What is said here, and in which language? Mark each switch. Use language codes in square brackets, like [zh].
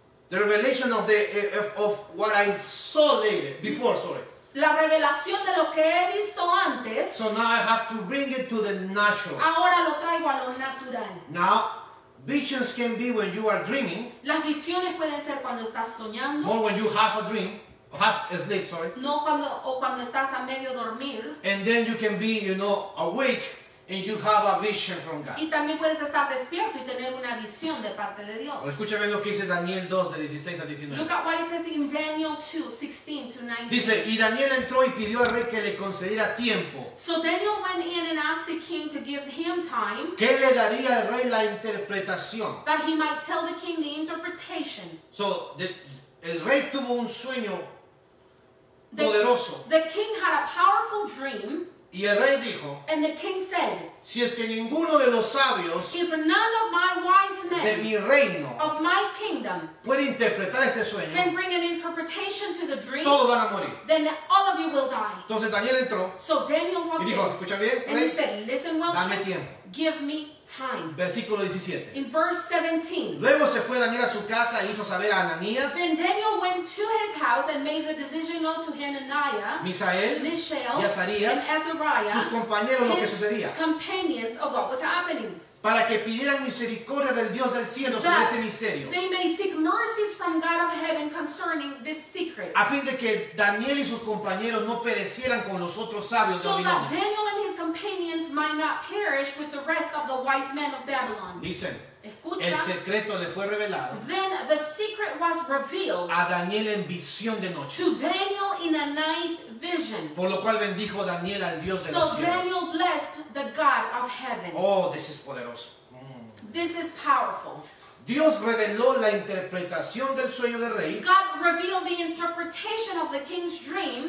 [en] the revelation of the what I saw later, before, sorry. [es] La revelación de lo que he visto antes, [en] so now I have to bring it to the natural, [es] ahora lo traigo a lo natural. [en] Now, visions can be when you are dreaming, [es] las visiones pueden ser cuando estás soñando, [en] or when you have a dream, half asleep, sorry. [es] No, cuando, o cuando estás a medio dormir. [en] And then you can be, you know, awake and you have a vision from God. [es] Y también puedes estar despierto y tener una visión de parte de Dios. Escucha bien lo que dice Daniel 2, de 16 a 19. [en] Look at what it says in Daniel 2, 16 to 19. [es] Dice, y Daniel entró y pidió al rey que le concediera tiempo. [en] So Daniel went in and asked the king to give him time. [es] Que le daría al rey la interpretación. [en] That he might tell the king the interpretation. [es] So, el rey tuvo un sueño. Poderoso. [en] The king had a powerful dream. [es] Y el rey dijo. [en] And the king said. [es] Si es que ninguno de los sabios. [en] If none of my wise men. [es] De mi reino. [en] Of my kingdom. [es] Puede interpretar este sueño. [en] Can bring an interpretation to the dream. [es] Todos van a morir. [en] Then all of you will die. [es] Entonces Daniel entró. [en] So Daniel walked in. [es] Y dijo, escucha bien, [en] and [es] rey, [en] he said, listen well. [es] Dame tiempo. [en] Give me time. [es] Versículo 17. [en] In verse 17. [es] Luego se fue Daniel a su casa e hizo saber a Ananías. [en] Then Daniel went to his house and made the decision known to Hananiah, [es] Misael, [en] Mishael, [es] y Azarías, [en] and Azariah, [es] sus compañeros, lo que sucedía. [en] Companions of what was happening. [es] Para que pidieran misericordia del Dios del cielo sobre este misterio. [en] They may seek mercies from God of heaven concerning this secret. [es] A fin de que Daniel y sus compañeros no perecieran con los otros sabios de Babilonia. [en] So that Daniel and his companions might not perish with the rest of the wise men of Babylon. [es] Dicen. Escucha, el secreto le fue revelado. [en] Then the secret was revealed. [es] A Daniel en visión de noche. [en] To Daniel in a night vision. [es] Por lo cual bendijo Daniel al Dios [en] so [es] de los cielos. [en] So Daniel blessed the God of heaven. Oh, this is poderoso. This is powerful. [es] Dios reveló la interpretación del sueño del rey. [en] God revealed the interpretation of the king's dream.